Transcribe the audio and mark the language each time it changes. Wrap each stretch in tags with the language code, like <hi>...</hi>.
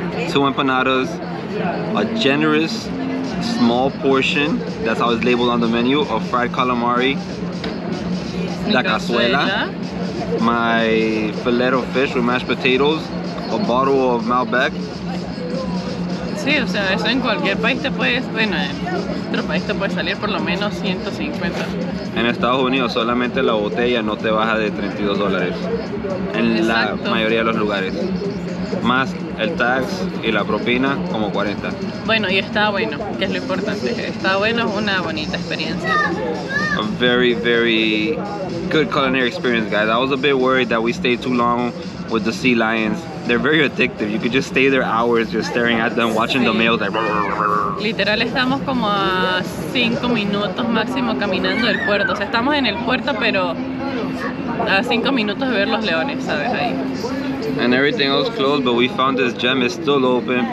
<en>Two empanadas, a generous small portion, that's how it's labeled on the menu, of fried calamari, la cazuela, my fillet of fish with mashed potatoes, a bottle of Malbec.</en> <es>Sí, o sea, eso en cualquier país te puedes, bueno, en otro país te puede salir por lo menos 150. En Estados Unidos solamente la botella no te baja de $32 en Exacto. La mayoría de los lugares. Más el tax y la propina, como 40. Bueno, y está bueno, que es lo importante. Está bueno, es una bonita experiencia.</es> <en>A very, very good culinary experience, guys. I was a bit worried that we stayed too long with the sea lions. They're very addictive. You could just stay there hours just staring at them, watching the males like.</en> <es>Literal, estamos como a 5 minutos máximo caminando del puerto. O sea, estamos en el puerto, pero a 5 minutos de ver los leones, ¿sabes? Ahí.</es> <en>and everything else closed, but we found this gem is still open.</en>